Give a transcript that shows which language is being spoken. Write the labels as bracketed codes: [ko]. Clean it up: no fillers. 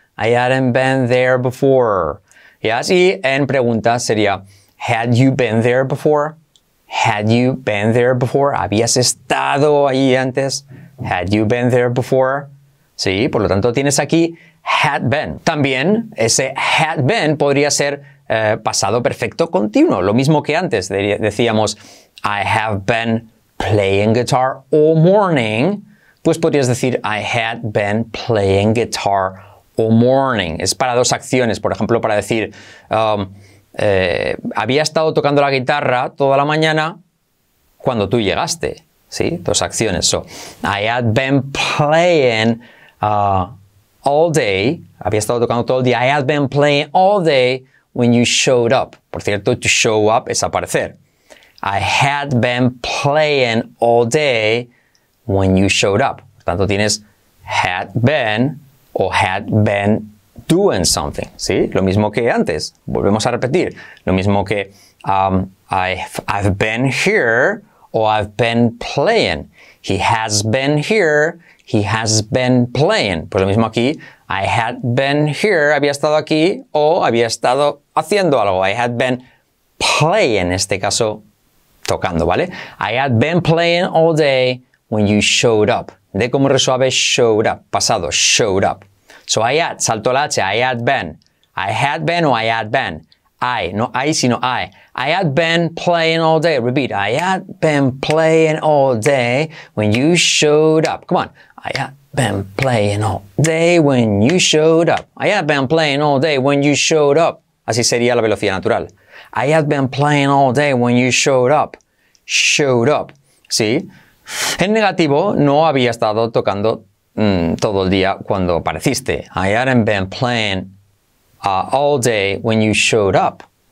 [en] I hadn't been there before. Yes? [es] Y en pregunta sería, [en] had you been there before? Had you been there before? [es] ¿Habías estado ahí antes? [en] Had you been there before? [es] Sí, por lo tanto tienes aquí [en] had been. [es] También ese had been podría ser pasado perfecto continuo. Lo mismo que antes. Decíamos, [en] I have been playing guitar all morning. [es] Pues podrías decir, [en] I had been playing guitar all morning. [es] Es para dos acciones. Por ejemplo, para decir, había estado tocando la guitarra toda la mañana cuando tú llegaste. ¿Sí? Dos acciones. [en] So, I had been playing all day. [es] Había estado tocando todo el día. [en] I had been playing all day when you showed up. [es] Por cierto, [en] to show up [es] es aparecer. [en] I had been playing all day when you showed up. [es] Por tanto, tienes [en] had been o had been doing something, [es] ¿sí? Lo mismo que antes. Volvemos a repetir. Lo mismo que [en] I've been here [es] o [en] I've been playing. He has been here. He has been playing. [es] Pues lo mismo aquí. [en] I had been here. [es] Había estado aquí o había estado haciendo algo. [en] I had been playing. [es] En este caso, tocando, ¿vale? [en] I had been playing all day when you showed up. [es] De cómo resuave [en] showed up. [es] Pasado, [en] showed up. So I had, [es] salto la [en] H, I had been. I had been o I had been. I, no I, sino I. I had been playing all day. Repeat. I had been playing all day when you showed up. Come on. I had been playing all day when you showed up. I had been playing all day when you showed up. [es] Así sería la velocidad natural. [en] I had been playing all day when you showed up. Showed up. [es] ¿Sí? En negativo, no había estado tocando todo el día cuando apareciste. [en] I hadn't been playing all day when you showed up.